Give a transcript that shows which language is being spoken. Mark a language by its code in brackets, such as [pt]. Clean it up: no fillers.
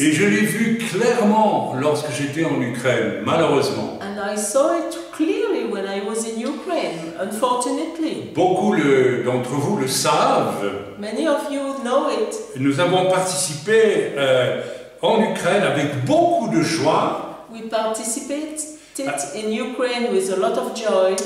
[fr] Et je l'ai vu clairement lorsque j'étais en Ukraine, malheureusement. [en] And I saw it clearly when I was in Ukraine, unfortunately. [fr] Beaucoup d'entre vous le savent. [en] Many of you know it. [fr] Nous avons participé en Ukraine avec beaucoup de joie. [en] We participated in Ukraine with a lot of joy.